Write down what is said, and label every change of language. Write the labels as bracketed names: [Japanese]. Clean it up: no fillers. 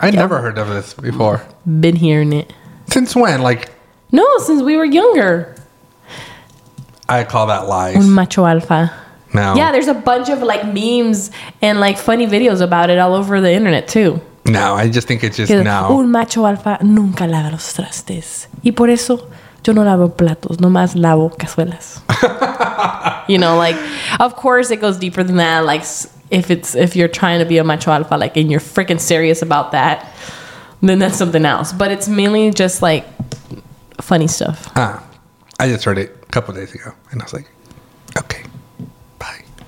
[English] I never heard of this before. Been hearing it. Since when? Like, no, since we were younger. I call that lies. [Spanish] Un macho alfa. [English] No. Yeah, there's a bunch of like memes and like funny videos about it all over the internet too. No, I just think it's just now. [Spanish] Un macho alfa nunca lava los trastes. Y por eso yo no lavo platos, nomás lavo cazuelas. [English] You know, like, of course it goes deeper than that. Like, if you're trying to be a macho alfa, like, and you're freaking serious about that, then that's something else. But it's mainly just like funny stuff. Ah, I just heard it a couple days ago and I was like, okay, bye.